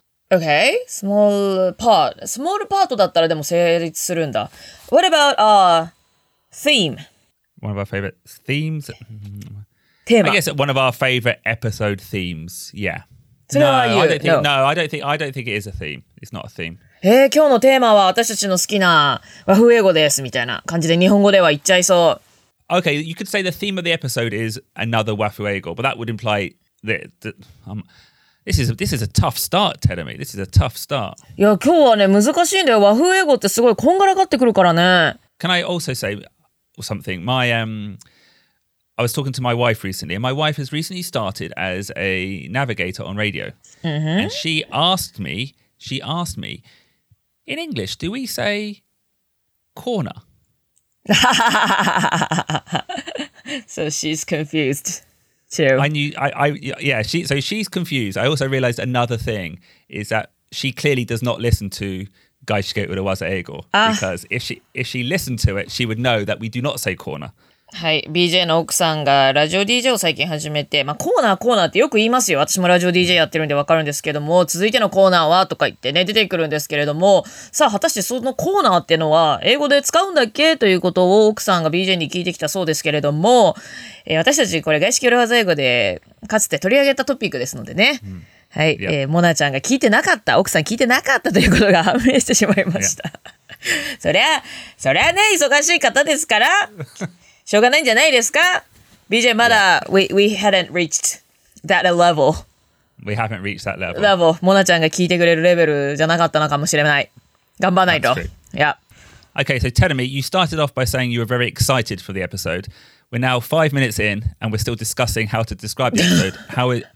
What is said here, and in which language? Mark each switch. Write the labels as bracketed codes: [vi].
[en] Okay, small part. Small part [ja] だったらでも成立するんだ。 [en] What about theme? One of our favorite themes? Theme. I guess one of our favorite episode themes, yeah. [ja] それは言う? [en] I don't think it is a theme. It's not a theme. [ja] 今日のテーマは私たちの好きな和風英語ですみたいな感じで日本語では言っちゃいそう。 [en] Okay, you could say the theme of the episode is another 和風英語, but that would imply this is a tough start, Terumi. This is a tough start. [ja] いや、今日はね、難しいんだよ。和風英語ってすごいこんがらがってくるからね。 [en] Can I also say something? I was talking to my wife recently, and my wife has recently started as a navigator on radio.、 Mm-hmm. And she asked me,In English, do we say corner? So she's confused too. She's confused. I also realized another thing is that she clearly does not listen to Gaishike Urawaza Eigo. Because if she listened to it, she would know that we do not say corner. [ja] はい、BJ の奥さんがラジオ DJ を最近始めて、まあコーナーってよく言いますよ。私もラジオ DJ やってるんでわかるんですけども、続いてのコーナーはとか言ってね、出てくるんですけれども、さあ果たしてそのコーナーってのは英語で使うんだっけということを奥さんが BJ に聞いてきたそうですけれども、私たちこれ外資系裏技英語でかつて取り上げたトピックですのでね。うん、はい、yeah. モナちゃんが聞いてなかった、奥さん聞いてなかったということが判明してしまいました。 [en] Yeah. [ja] そりゃね、忙しい方ですから。しょうがないんじゃないですか? [en] BJ, [ja] まだ、 [en] yeah. we hadn't reached that level. We haven't reached that level. Level. [ja] モナちゃんが聞いてくれるレベルじゃなかったのかもしれない。頑張らないと。Yeah. [en] Okay, so Terumi, you started off by saying you were very excited for the episode. We're now 5 minutes in and we're still discussing how to describe the episode.